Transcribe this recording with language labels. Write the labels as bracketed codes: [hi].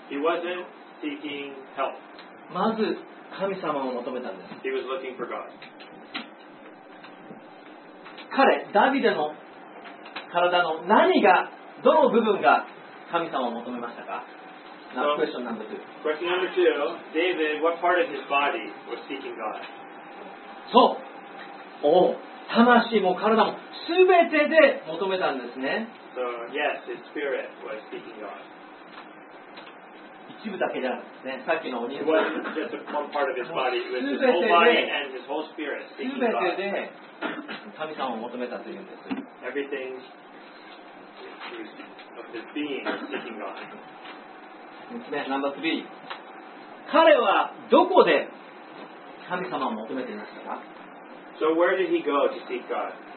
[en] He wasn't seeking help. [ja] まず神様を求めたんです。 [en] He was looking for God. [ja] 彼、ダビデの体の何が、どの部分が神様を求めましたか? [en] Now, question number two. Question number two. David, what part of his body was seeking God? [ja] そう。お、魂も体も全てで求めたんですね。 [en] So, yes, his spirit was seeking God. [ja] 一部だけじゃなくてね、さっきのお兄 [en] さん。It wasn't just one part of his body. It was his whole body and his whole spirit seeking God. [ja] 全てで神様を求めたというんです。 [en] Everything of his being is seeking God. [ja] 3つ目、 [en] number three. [ja] 彼はどこで神様を求めていましたか? [en] So where did he go to seek God?